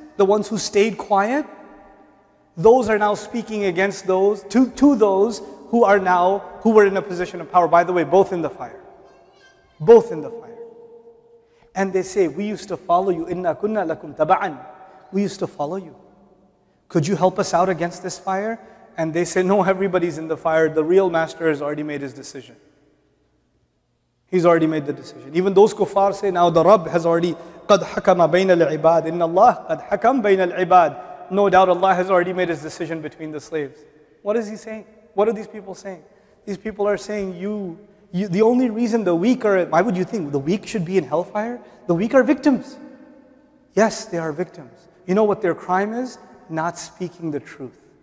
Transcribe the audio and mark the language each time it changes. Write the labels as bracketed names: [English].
[English] The ones who stayed quiet, those are now speaking against those, to those who are now, who were in a position of power. By the way, both in the fire. Both in the fire. And they say, we used to follow you. [Arabic] Inna kunna lakum taba'an. [English] We used to follow you. Could you help us out against this fire? And they say, no, everybody's in the fire. The real master has already made his decision. He's already made the decision. Even those kuffar say, now the Rabb has already, [Arabic] قَدْ حَكَمَ بَيْنَ الْعِبَادِ إِنَّ اللَّهِ قَدْ حَكَمْ بَيْنَ الْعِبَادِ. [English] No doubt Allah has already made his decision between the slaves. What is he saying? What are these people saying? These people are saying, you, the only reason the weak are, why would you think the weak should be in hellfire? The weak are victims. Yes, they are victims. You know what their crime is? Not speaking the truth.